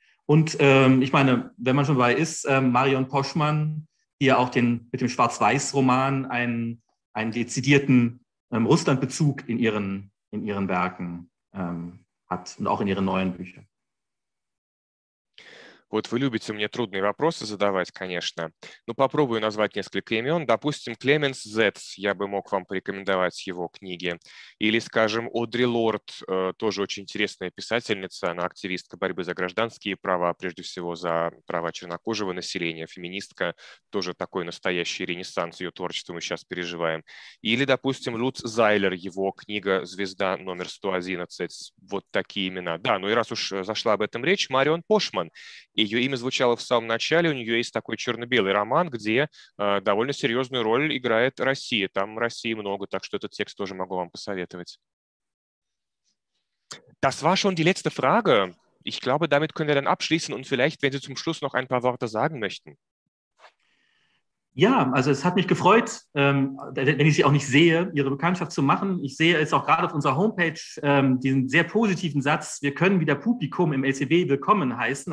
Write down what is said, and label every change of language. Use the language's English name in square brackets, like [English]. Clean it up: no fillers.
[German] Und ich meine, wenn man schon dabei ist, Marion Poschmann, die ja auch den, mit dem Schwarz-Weiß-Roman einen dezidierten Russland-Bezug in ihren Werken hat und auch in ihren neuen Büchern. [Russian] Вот вы любите мне трудные вопросы задавать, конечно. Но попробую назвать несколько имен. Допустим, Клеменс Зетс, я бы мог вам порекомендовать его книги. Или, скажем, Одри Лорд, тоже очень интересная писательница, она активистка борьбы за гражданские права, прежде всего за права чернокожего населения, феминистка, тоже такой настоящий ренессанс ее творчества мы сейчас переживаем. Или, допустим, Люц Зайлер, его книга «Звезда номер 111». Вот такие имена. Да, ну и раз уж зашла об этом речь, Марион Пошман. Ее имя звучало в самом начале, у нее есть такой черно-белый роман, где довольно серьезную роль играет Россия. Там России много, так что этот текст тоже могу вам посоветовать. [German] Das war schon die letzte Frage. Ich glaube, damit können wir dann abschließen und vielleicht, wenn Sie zum Schluss noch ein paar Worte sagen möchten. Ja, also es hat mich gefreut, wenn ich Sie auch nicht sehe, Ihre Bekanntschaft zu machen. Ich sehe jetzt auch gerade auf unserer Homepage diesen sehr positiven Satz, wir können wieder Publikum im LCB willkommen heißen.